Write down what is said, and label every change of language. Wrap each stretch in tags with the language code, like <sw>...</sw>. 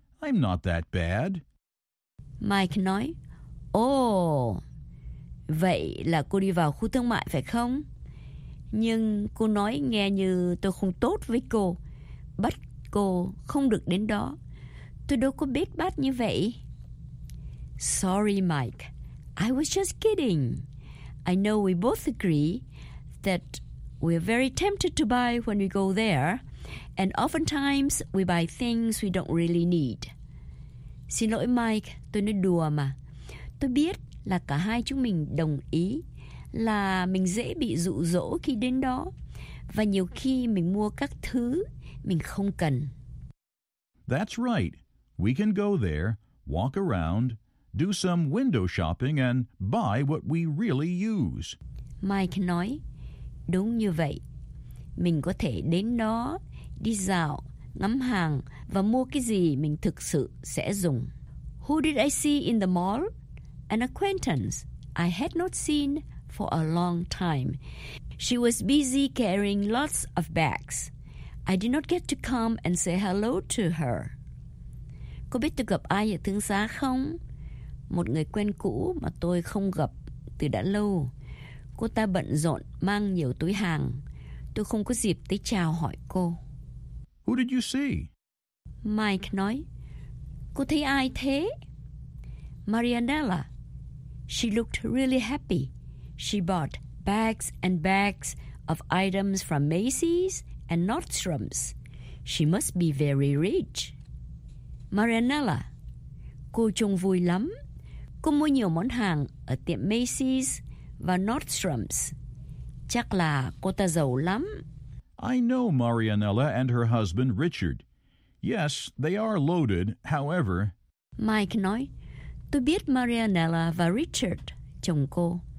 <en>I'm not that bad.</en> <vi>Mike nói, Oh, vậy là cô đi vào khu thương mại phải không? Nhưng cô nói nghe như tôi không tốt với cô, bắt cô không được đến đó. Tôi đâu có biết bát như vậy.</vi> <en>Sorry, Mike. I was just kidding. I know we both agree that we're very tempted to buy when we go there, and oftentimes we buy things we don't really need.</en> <vi>Xin lỗi Mike, tôi nói đùa mà. Tôi biết là cả hai chúng mình đồng ý là mình dễ bị dụ dỗ khi đến đó, và nhiều khi mình mua các thứ mình không cần.</vi> <en>That's right. We can go there, walk around, do some window shopping and buy what we really use.</en> <vi>Mike nói, đúng như vậy. Mình có thể đến đó, đi dạo, ngắm hàng và mua cái gì mình thực sự sẽ dùng.</vi> <en>Who did I see in the mall? An acquaintance I had not seen for a long time. She was busy carrying lots of bags. I did not get to come and say hello to her.</en> <vi>Cô biết tôi gặp ai ở thương xá không? Một người quen cũ mà tôi không gặp từ đã lâu. Cô ta bận rộn mang nhiều túi hàng. Tôi không có dịp tới chào hỏi cô. Who did you see? Mike nói, cô thấy ai thế? Marianella.</vi> <en>She looked really happy. She bought bags and bags of items from Macy's and Nordstrom's. She must be very rich. Marianella.</en> <vi>Cô trông vui lắm. Cô mua nhiều món hàng ở tiệm Macy's và Nordstrom's. Chắc là cô ta giàu lắm.</vi> <en>I know Marianella and her husband Richard. Yes, they are loaded, however.</en> <vi>Mike nói, tôi biết Marianella và Richard, chồng cô.</vi>